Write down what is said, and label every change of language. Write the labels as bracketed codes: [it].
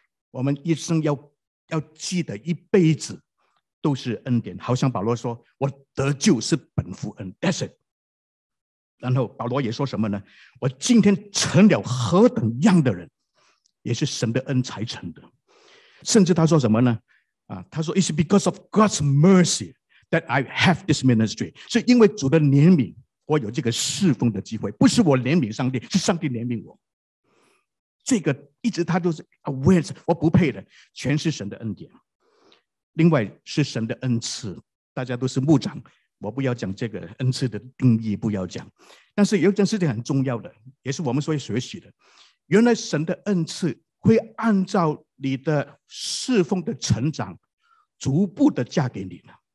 [zh] 我们一生 要记得一辈子都是恩典，好像保罗说，我得救是本乎恩， [en] that's it. [zh] 然后保罗也说什么呢？我今天成了何等样的人，也是神的恩才成的。甚至他说什么呢？他说 [en] It's because of God's mercy that I have this ministry. [zh] 是因为主的怜悯，我有这个侍奉的机会。不是我怜悯上帝，是上帝怜悯我。这个一直他就是 aware， 我不配的，全是神的恩典。另外是神的恩赐，大家都是牧长。我不要讲这个恩赐的定义，不要讲，但是有一件事情很重要的，也是我们所以学习的，原来神的恩赐会按照你的侍奉的成长逐步的嫁给你的。